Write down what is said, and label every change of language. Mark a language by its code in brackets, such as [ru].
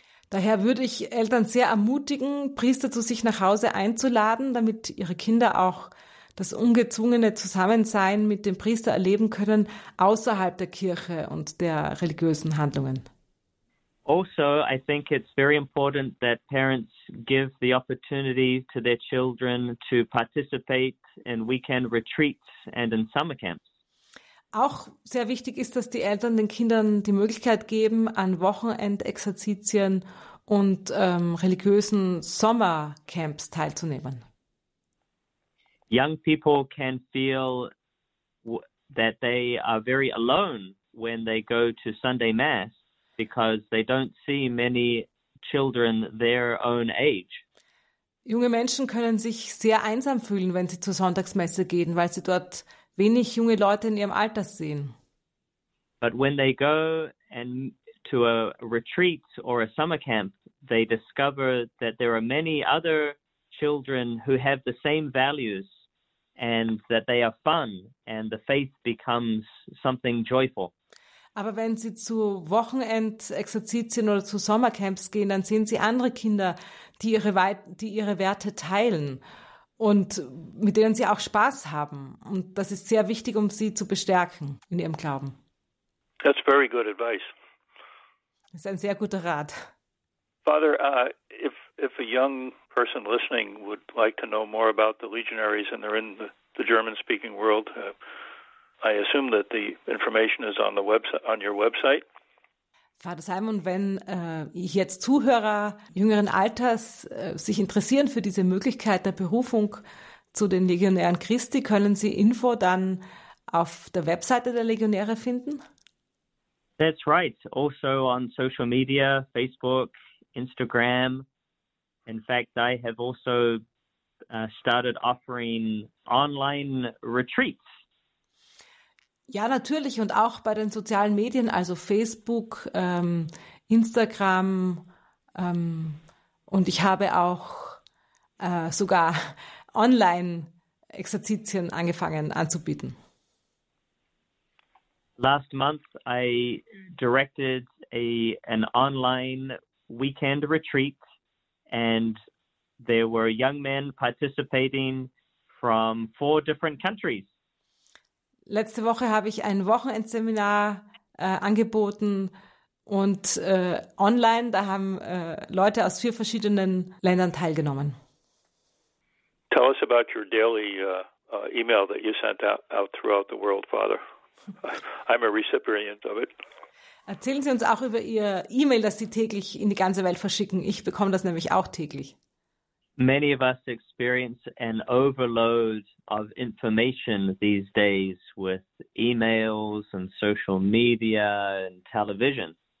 [de] Daher würde ich Eltern sehr ermutigen, Priester zu sich nach Hause einzuladen, damit ihre Kinder auch das ungezwungene Zusammensein mit dem Priester erleben können außerhalb der Kirche und der religiösen Handlungen. [en] Also, I think it's very important that parents give the opportunity to their children to participate in weekend retreats and in summer camps. [de] Auch sehr wichtig ist, dass die Eltern den Kindern die Möglichkeit geben, an Wochenendexerzitien und religiösen Sommercamps teilzunehmen. [en] Young people can feel that they are very alone when they go to Sunday Mass, because they don't see many children their own age. [de] Junge Menschen können sich sehr einsam fühlen, wenn sie zur Sonntagsmesse gehen, weil sie dort wenig junge Leute in ihrem Alter sehen. [en] But when they go and to a retreat or a summer camp, they discover that there are many other children who have the same values and that they are fun and the faith becomes something joyful. [de] Aber wenn sie zu Wochenendexerzitien oder zu Sommercamps gehen, dann sehen sie andere Kinder, die ihre Werte teilen und mit denen sie auch Spaß haben. Und das ist sehr wichtig, um sie zu bestärken in ihrem Glauben. [en] That's very good advice. [de] Das ist ein sehr guter Rat. [en] Father, if a young person listening would like to know more about the legionaries and they're in the German-speaking world, I assume that the information is on your website. [de] Vater Simon, wenn ich jetzt Zuhörer jüngeren Alters sich interessieren für diese Möglichkeit der Berufung zu den Legionären Christi, können Sie Info dann auf der Webseite der Legionäre finden? [en] That's right. Also on social media, Facebook, Instagram. In fact, I have also started offering online retreats. [de] Ja, natürlich. Und auch bei den sozialen Medien, also Facebook, Instagram. Und ich habe auch sogar Online-Exerzitien angefangen anzubieten. [en] Last month I directed an online weekend retreat and there were young men participating from 4 different countries. [de] Letzte Woche habe ich ein Wochenendseminar angeboten und online, da haben Leute aus 4 verschiedenen Ländern teilgenommen. [en] Tell us about your daily email that you sent out throughout the world, Father. I'm a recipient of it. [de] Erzählen Sie uns auch über Ihr E-Mail, das Sie täglich in die ganze Welt verschicken. Ich bekomme das nämlich auch täglich. [en] Many of us experience an overload of information these days with emails and social media and television.